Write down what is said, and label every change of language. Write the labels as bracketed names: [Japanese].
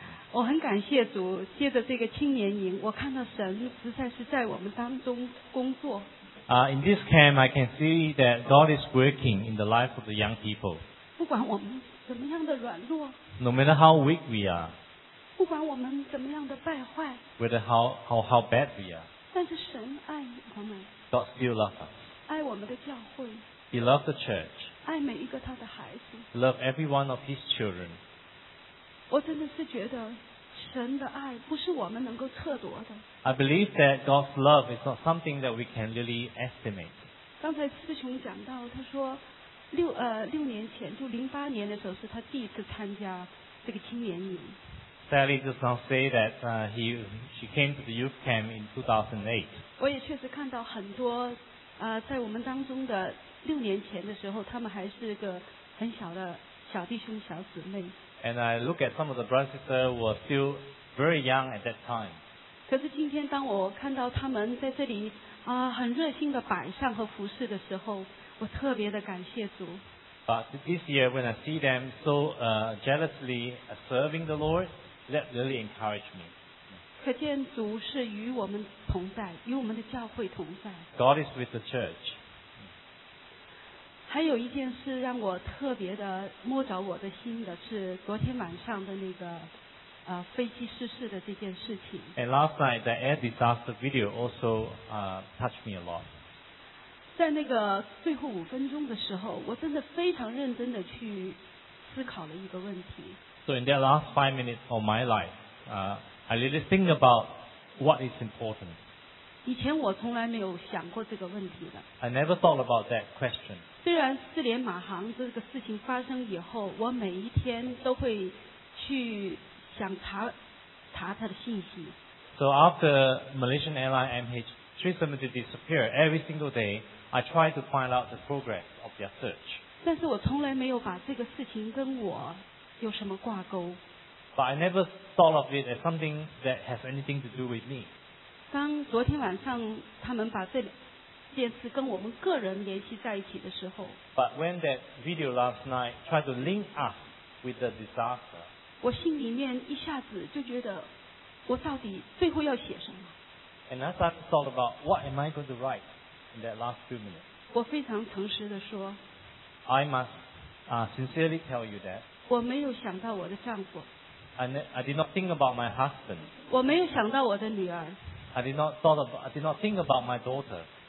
[Chinese] 我很感谢主，接着这个青年营，我看到神实在是在我们当中工作。 [English] In this camp, I can see that God is working in the life of the young people. [Chinese] 不管我们怎么样的软弱。 [English] No matter how weak we are. [Chinese] 不管我们怎么样的败坏。 [English] Whether how bad we are. [Chinese] 但是神爱我们。 [English] God still loves us. [Chinese] 爱我们的教会。 [English] He loves the church. [Chinese] 爱每一个他的孩子。 [English] Love every one of his children. [Chinese] 我真的是觉得神的爱不是我们能够测度的。 [English] I believe that God's love is not something that we can really estimate. [Chinese] 刚才师兄讲到，他说六年前，就08年的时候是他第一次参加这个青年营。 [English] Sally does not say that she came to the youth camp in 2008. [Chinese] 我也确实看到很多在我们当中的六年前的时候，他们还是个很小的小弟兄、小姊妹。 [English] And I look at some of the brothers and sisters were still very young at that time. [Chinese] 可是今天，当我看到他们在这里很热心的摆上和服侍的时候，我特别的感谢主。 [English] But this year, when I see them so jealously serving the Lord, that really encouraged me. [Chinese] 可见主是与我们同在，与我们的教会同在。 [English] God is with the church. [Chinese] 还有一件事让我特别的摸着我的心的是昨天晚上的那个飞机失事的这件事情。 [English] And last night, the air disaster video also touched me a lot. [Chinese] 在那个最后五分钟的时候，我真的非常认真的去思考了一个问题。 [English] So in that last 5 minutes of my life, I really think about what is important. [Chinese] 以前我从来没有想过这个问题的。 [English] I never thought about that question. [Chinese] 虽然四联马航这个事情发生以后，我每一天都会去想查他的信息。 [English] So after Malaysian Airlines MH370 disappeared, every single day I try to find out the progress of their search. [Chinese] 但是我从来没有把这个事情跟我有什么挂钩。 [English] But I never thought of it as something that has anything to do with me. [Chinese] 当昨天晚上他们把这件事跟我们个人联系在一起的时候， [English] But when that video last night tried to link us with the disaster, [Chinese] 我心里面一下子就觉得，我到底最后要写什么？ [English] And I started to thought about what am I going to write in that last few minutes. [Chinese] 我非常诚实的说， [English] I must sincerely tell you that [Chinese] 我没有想到我的丈夫， [English] I did not think about my husband. [Chinese] 我没有想到我的女儿， [English] I did not think about my daughter.